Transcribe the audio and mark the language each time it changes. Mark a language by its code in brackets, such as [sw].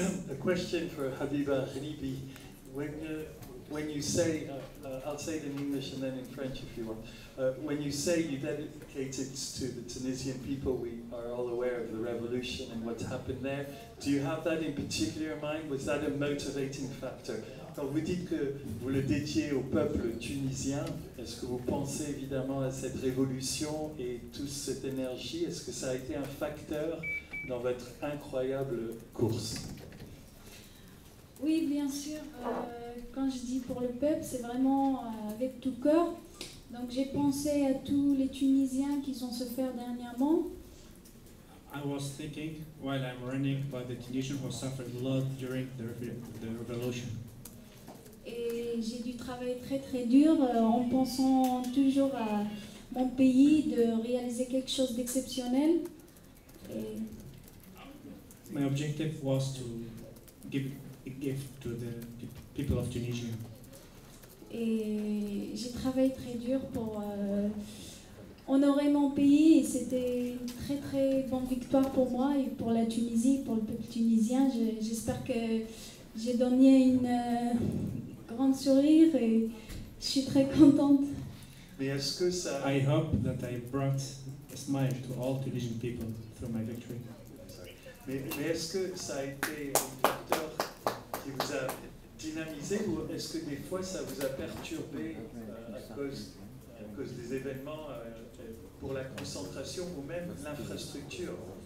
[en] A question for Habiba Ghribi. When you say, I'll say it in English and then in French if you want. When you say you dedicated to the Tunisian people, we are all aware of the revolution and what happened there. Do you have that in particular in mind? Was that a motivating factor? [fr] Quand vous dites que vous le dédiez au peuple tunisien, est-ce que vous pensez évidemment à cette révolution et toute cette énergie? Est-ce que ça a été un facteur dans votre incroyable course? Oui, bien sûr. Quand je dis pour le peuple, c'est vraiment avec tout cœur. Donc j'ai pensé à tous les Tunisiens qui sont se faire dernièrement. [en] I was thinking while I'm running about the Tunisians who suffered a lot during the revolution. [fr] Et j'ai dû travailler très très dur en pensant toujours à mon pays de réaliser quelque chose d'exceptionnel. [en] My objective was to give a gift to the people of Tunisia. [fr] Et j'ai travaillé très dur pour honorer mon pays et c'était une très très bonne victoire pour moi et pour la Tunisie, pour le peuple tunisien. J'espère que j'ai donné une grande sourire et je suis très contente. Mais est-ce que ça... [en] I hope that I brought a smile to all Tunisian people through my victory. [fr] Mais est-ce que ça a été un facteur qui vous a dynamisé ou est-ce que des fois ça vous a perturbé à cause des événements pour la concentration ou même l'infrastructure?